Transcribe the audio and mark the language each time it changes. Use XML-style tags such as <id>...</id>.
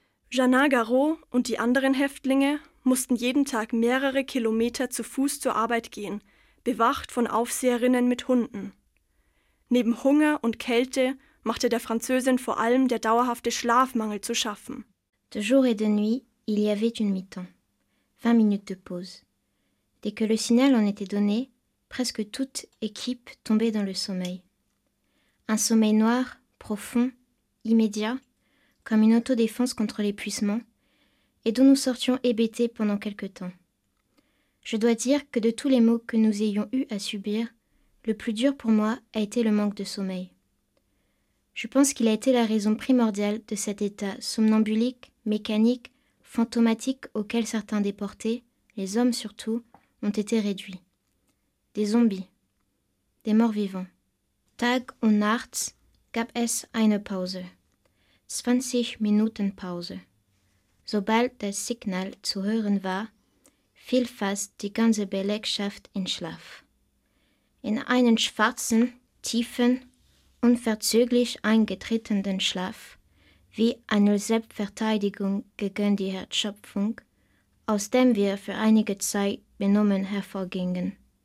<de>Janin-Garot und die anderen Häftlinge mussten jeden Tag mehrere Kilometer zu Fuß zur Arbeit gehen, bewacht von Aufseherinnen mit Hunden. Neben Hunger und Kälte machte der Französin vor allem der dauerhafte Schlafmangel zu schaffen.</de> <fr>De jour et de nuit, il y avait une mi-temps, 20 minutes de pause. Dès que le signal en était donné, presque toute équipe tombait dans le sommeil. Un sommeil noir, profond, immédiat, comme une autodéfense contre l'épuisement, et dont nous sortions hébétés pendant quelque temps. Je dois dire que de tous les maux que nous ayons eu à subir, le plus dur pour moi a été le manque de sommeil. Je pense qu'il a été la raison primordiale de cet état somnambulique, mécanique, fantomatique auquel certains déportés, les hommes surtout, ont été réduits. Des zombies. Des morts vivants.</fr> <de>Tag und Nacht gab es eine Pause. 20 Minuten Pause. Sobald das Signal zu hören war, fiel fast die ganze Belegschaft in Schlaf. In einen schwarzen, tiefen, unverzüglich eingetretenen Schlaf, wie eine Selbstverteidigung gegen die Erschöpfung, aus dem wir für einige Zeit benommen hervorgingen.</de>